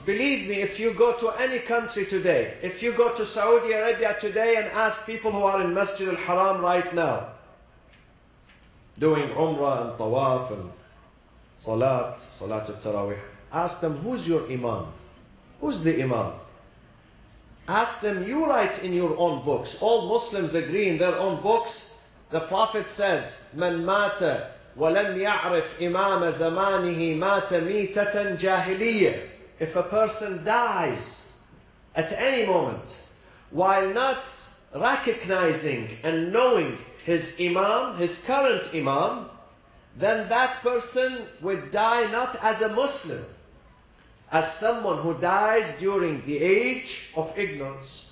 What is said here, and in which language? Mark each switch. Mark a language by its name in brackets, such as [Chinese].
[English] Believe me, if you go to any country today, if you go to Saudi Arabia today and ask people who are in Masjid al-Haram right now, doing Umrah and Tawaf and Salat, Salat al-Tarawih. Ask them, who's your imam? Who's the imam? Ask them, you write in your own books. All Muslims agree in their own books. The Prophet says, [Arabic] من مات ولم يعرف إمام زمانه مات ميتة جاهلية. [English] If a person dies at any moment while not recognizing and knowing his imam, his current imam, then that person would die not as a Muslim, as someone who dies during the age of ignorance.